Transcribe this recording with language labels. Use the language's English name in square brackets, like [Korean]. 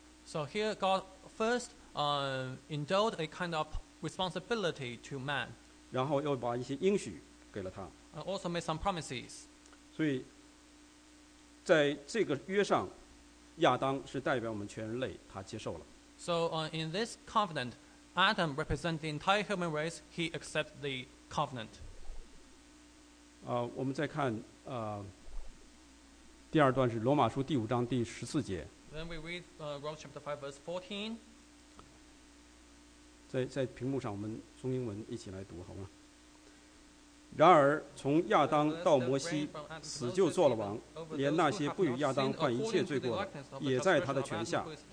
[English] So here God first endowed a kind of responsibility to man, and also made some promises. [Chinese] 所以在这个约上, 亚当是代表我们全人类, 他接受了。 [English] So in this covenant, Adam represents the entire human race, he accepts the covenant. [Chinese] 我们再看, 第二段是罗马书第五章第十四节。 [English] Then we read Romans chapter 5 verse 14. [Chinese] 在屏幕上我们中英文一起来读好吗?然而从亚当到摩西死就做了王，连那些不与亚当犯一切罪过的也在他的权下。